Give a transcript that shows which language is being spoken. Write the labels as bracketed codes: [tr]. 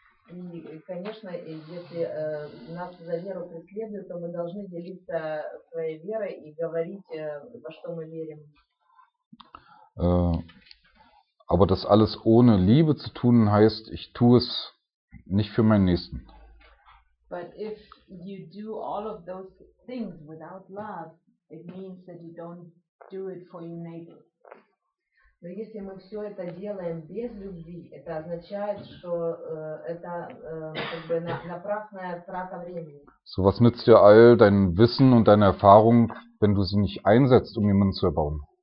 [ru] И, конечно, если нас за веру преследуют, то мы должны делиться своей верой и говорить, во что мы верим. [de] Aber das alles ohne Liebe zu tun heißt, ich tue es nicht für meinen Nächsten. [en] But if you do all of those things without love, it means that you don't do it for your neighbor. [ru] Но если мы все это делаем без любви, это означает, что это как бы напрасная трата времени. [de] So was nützt dir all dein Wissen und deine Erfahrung, wenn du sie nicht einsetzt, um jemanden zu erbauen?